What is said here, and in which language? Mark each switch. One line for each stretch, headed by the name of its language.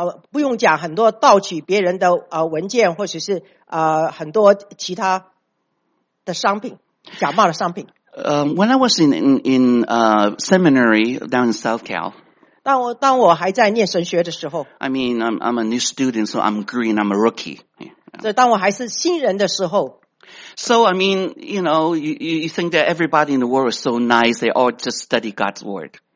Chinese: 不用讲很多盗取别人的文件，或者是很多其他的商品。假冒的商品。
English: When I was in seminary down in South Cal,
Chinese: 当我还在念神学的时候
English: ，I mean I'm a new student, so I'm green, I'm a rookie.
Chinese: 所以当我还是新人的时候
English: ，So I mean you know you think that everybody in the world is so nice, they all just study God's word.